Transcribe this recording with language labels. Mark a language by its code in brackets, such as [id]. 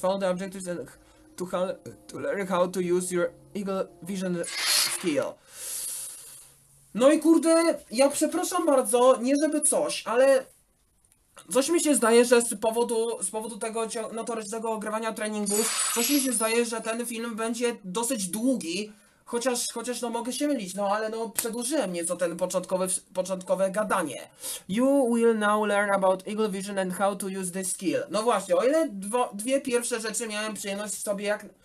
[en] Follow the objectives and to learn how to use your Eagle Vision skill. [pl] No i kurde, ja przepraszam bardzo, nie żeby coś, ale coś mi się zdaje, że z powodu tego notorycznego ogrywania treningów, coś mi się zdaje, że ten film będzie dosyć długi, chociaż no mogę się mylić, no ale no przedłużyłem nieco ten początkowe gadanie. [en] You will now learn about Eagle Vision and how to use this skill. [pl] No właśnie, o ile dwie pierwsze rzeczy miałem przyjemność sobie jak...